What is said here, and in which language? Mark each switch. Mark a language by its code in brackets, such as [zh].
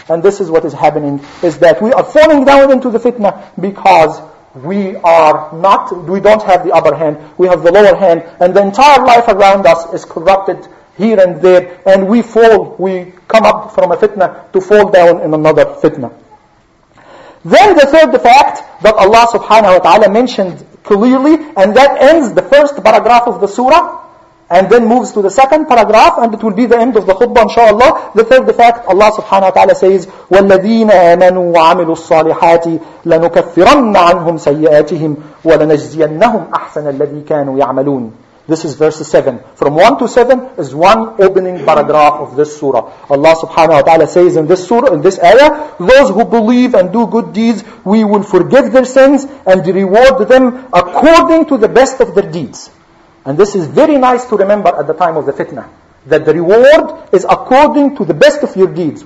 [en] And this is what is happening, is that we are falling down into the fitna because we don't have the upper hand, we have the lower hand, and the entire life around us is corrupted here and there, and we fall, we come up from a fitna to fall down in another fitna. Then the third fact that Allah subhanahu wa ta'ala mentioned clearly, and that ends the first paragraph of the surah, and then moves to the second paragraph, and it will be the end of the khutbah inshaAllah. The third fact, Allah subhanahu wa ta'ala says, [ar] وَالَّذِينَ آمَنُوا وَعَمِلُوا الصَّالِحَاتِ لَنُكَفِّرَنَّ عَنْهُمْ سَيِّئَاتِهِمْ وَلَنَجْزِيَنَّهُمْ أَحْسَنَ الَّذِي كَانُوا يَعْمَلُونَ. [en] This is verse 7. From 1 to 7 is one opening paragraph of this surah. Allah subhanahu wa ta'ala says in this surah, in this ayah, those who believe and do good deeds, we will forgive their sins and reward them according to the best of their deeds. And this is very nice to remember at the time of the fitna, that the reward is according to the best of your deeds.